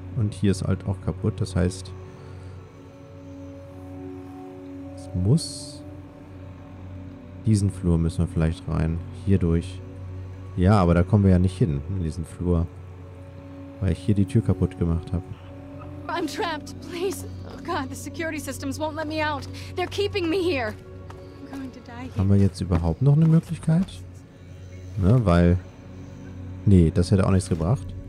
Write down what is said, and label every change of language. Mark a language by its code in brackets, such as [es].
[de] Und hier ist halt auch kaputt. Das heißt, es muss... Diesen Flur müssen wir vielleicht rein. Hier durch. Ja, aber da kommen wir ja nicht hin, in diesen Flur. Weil ich hier die Tür kaputt gemacht habe. [en] I'm trapped, please. [de] Oh Gott, [en] the security systems won't let me out. They're keeping me here. I'm going to die here. [de] Haben wir jetzt überhaupt noch eine Möglichkeit? Ne, weil... Nee, das hätte auch nichts gebracht.